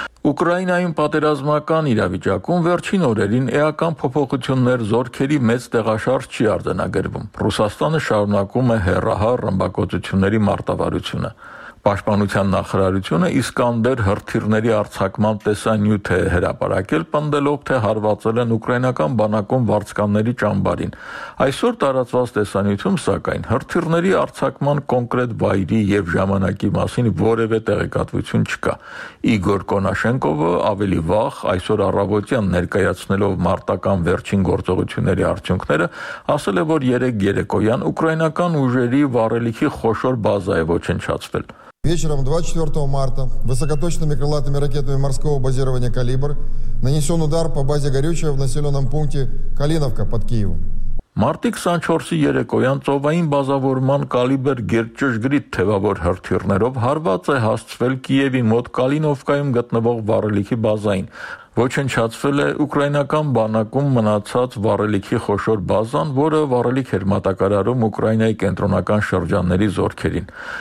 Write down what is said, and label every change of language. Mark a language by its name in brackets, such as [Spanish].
[Armenian] Ուկրաինայում պատերազմական իրավիճակում վերջին օրերին էական փոփոխություններ զորքերի մեծ տեղաշարժ չի արձանագրվում։ Ռուսաստանը շարունակում է հեռահար ռմբակոծությունների մարտավարությունը։ Պաշտպանության նախարարությունը իսկանդեր հրթիռների արձակման տեսանյութ է հրապարակել, պնդելով, թե հարվածել են ուկրաինական բանակում վարձկանների ճամբարին։ Այսօր տարածված տեսանյութում, սակայն, հրթիռների արձակման կոնկրետ վայրի և ժամանակի մասին որևէ տեղեկատվություն չկա։ Իգոր Կոնաշենկովը ավելի վաղ, այսօր առավոտյան ներկայացնելով մարտական վերջին գործողությունների արդյունքները, ասել է, որ երեք երեկոյան ուկրաինական ուժերի վառելիքի խոշոր բազա է ոչնչացվել։ [Russian] Вечером 24 марта высокоточными крылатыми ракетами морского базирования «Калибр» нанесен удар по базе горючего в населенном пункте Калиновка под Киевом. [Armenian] Մարտի 24-ի երեկոյան ծովային բազավորման «Կալիբր» գերճշգրիտ թևավոր հրթիռներով հարված է հասցվել Կիևի մոտ Կալինովկայում գտնվող վառելիքի բազային։ Ոչնչացվել է ուկրաինական բանակում մնացած վառելիքի խոշոր բազան, որը վառելիք էր մատակարարում Ուկրաինայի կենտրոնական շրջանների զորքերին։